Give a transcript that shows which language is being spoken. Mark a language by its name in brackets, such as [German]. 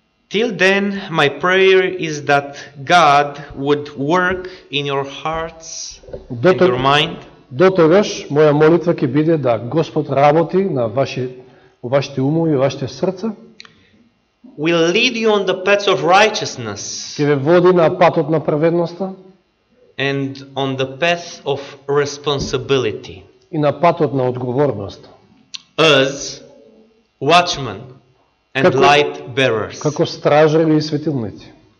[English] Till then, my prayer is that God would work in your hearts and your mind. [Macedonian] До тогаш, моја молитва ќе биде да Господ работи на вашите умови и вашите срца. [English] Will lead you on the path of righteousness. [Macedonian] Ќе ве води на патот на праведноста. [English] And on the path of responsibility. [Macedonian] И на патот на одговорност. [English] As watchmen and light bearers. [Macedonian] Како стражари и светилници.